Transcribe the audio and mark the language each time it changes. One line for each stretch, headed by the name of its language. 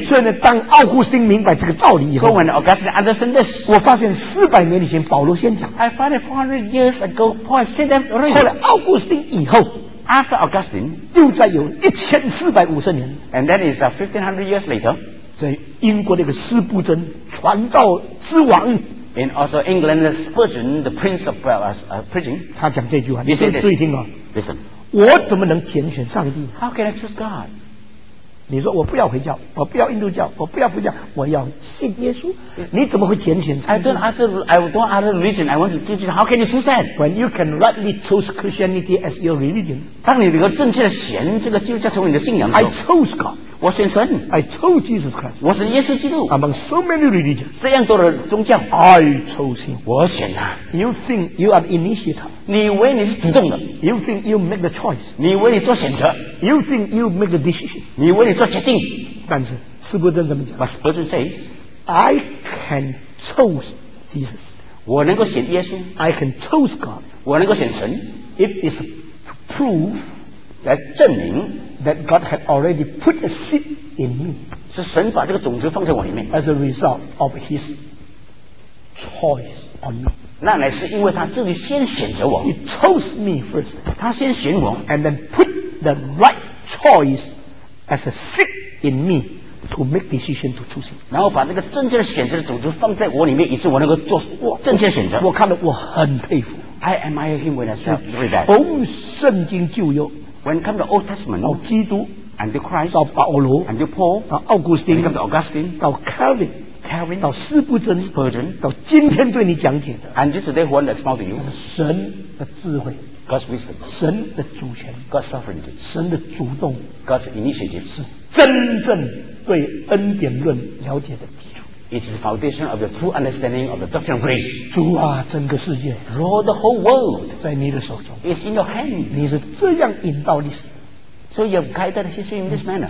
Chinese: 所以呢，当奥古斯丁明白这个道理以后
English: ，So when Augustine understand this,
Chinese: 我发现四百年以前保罗先讲。
English: I find it 400 years ago, Paul said that already.
Chinese: 后来奥古斯丁以后。
English: After Augustine,
Chinese: 又再有1450年
English: ，and then is 1500 years later，
Chinese: 在英国那个斯布珍传道之王
English: ，and also England's Spurgeon, the Prince of preaching，
Chinese: 他讲这句话，你先注意听啊
English: ，listen，
Chinese: 我怎么能拣选上帝
English: ？How can I choose God？
Chinese: 你说我不要回教，我不要印度教，我不要佛教，我要信耶稣，你怎么会拣选
English: ？I don't other religion. I want to choose it. How can you choose that? When you can rightly choose Christianity as your religion.
Chinese: 当你能够正确的选这个基督教成为你的信仰的时候
English: ，I chose God.
Chinese: 我选神。
English: I chose Jesus Christ.
Chinese: 我是耶稣基督。
English: Among so many religions.
Chinese: 这样多的宗教
English: ，I chose him.
Chinese: 我选他。
English: You think you are initiator.
Chinese: 你以为你是主动的。
English: You think you make the choice.
Chinese: 你以为你做选择。
English: You think you make the decision.
Chinese: 你以为你做决定。但是斯伯顿怎么讲
English: ？But Spurgeon says, I can choose Jesus.
Chinese: 我能够选耶稣。
English: I can choose God.
Chinese: 我能够选神。
English: It is to prove
Chinese: 来证明
English: that God had already put a seed in me.
Chinese: 是神把这个种子放在我里面。
English: As a result of His choice on me.
Chinese: 那乃是因为他自己先选择我。
English: He chose me first.
Chinese: 他先选我。
English: And then put the right choice as a seed. In me to make decision to choose.
Chinese: 然后把这个正确的选择的种子放在我里面，以致我能够做正确的选择。我看了，我很佩服。
English: I admire him when I saw that.
Chinese: 从圣经旧约
English: ，When come to Old Testament，
Chinese: 到基督
English: ，and the Christ，
Chinese: 到保罗
English: ，and the Paul，
Chinese: 到奥古斯丁
English: ，come to Augustine，
Chinese: 到 Calvin。
English: Calvin,
Chinese: 到斯布珍
English: Spurgeon,
Chinese: 到今天对你讲解的
English: and today who respond to you?
Chinese: 神的智慧
English: God's wisdom,
Chinese: 神的主权
English: God's sovereignty,
Chinese: 神的主动
English: God's initiative,
Chinese: 是真正对恩典论了解的基础
English: It's the foundation of your true understanding of the doctrine of grace
Chinese: 主啊整个世界
English: Lord the whole world
Chinese: 在你的手中
English: It's in your hand
Chinese: 你是这样引导历史
English: So you have guided history in this manner.